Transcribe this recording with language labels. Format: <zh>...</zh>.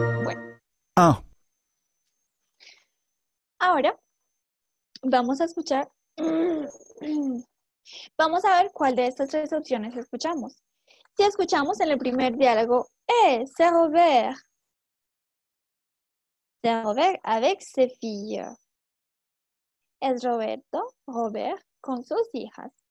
<fr>Ouais. 1.</fr> <es>Ahora, vamos a escuchar. Vamos a ver cuál de estas tres opciones escuchamos. Si escuchamos en el primer diálogo,</es> <fr>c'est Robert. C'est Robert avec ses filles.</fr> <es>Es Roberto, Robert, con sus hijas.</es>